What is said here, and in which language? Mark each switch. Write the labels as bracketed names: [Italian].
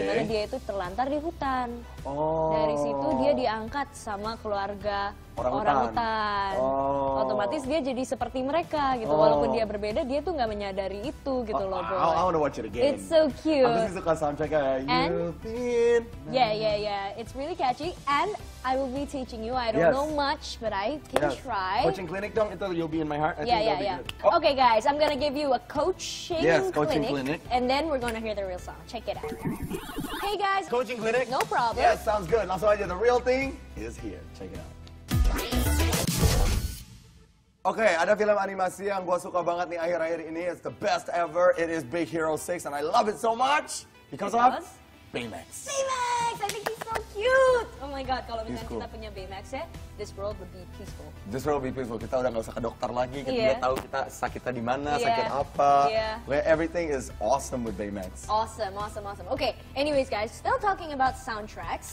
[Indonesian] Dimana dia itu terlantar di hutan. Oh. Dari situ dia diangkat sama keluarga orang utan. Oh. Otomatis dia jadi seperti mereka gitu. Oh. Walaupun dia berbeda, dia tuh gak menyadari itu gitu. Oh, loh. [English] I wanna watch it again. It's so cute. [Indonesian] Aku sih suka soundtracknya. [English] And? Been... Yeah, yeah, yeah. It's really catchy. And I will be teaching you. I don't know much, but I can try. Coaching clinic [Indonesian] dong, itu [English] you'll be in my heart. I think that'll be good. Oh. Okay guys, I'm gonna give you a coaching clinic. And then we're gonna hear the real song. Check it out. Hey guys. Coaching clinic. No problem. Yeah, sounds good. [Indonesian] Langsung aja, [English] the real thing is here. Check it out. [Indonesian] Oke, okay, ada film animasi yang gue suka banget nih akhir-akhir ini. [English] It's the best ever. It is Big Hero 6 and I love it so much. Because of Baymax. Baymax! I think he's so cute! Oh my god, [Indonesian] kalau misalnya kita punya Baymax ya, [English] this world would be peaceful. This world would be peaceful. [Indonesian] Kita udah gak usah ke dokter lagi. Kita udah tahu kita sakitnya di mana, sakit apa. [English] Yeah. Everything is awesome with Baymax. Awesome, awesome, awesome. Oke, okay, anyways guys, still talking about soundtracks.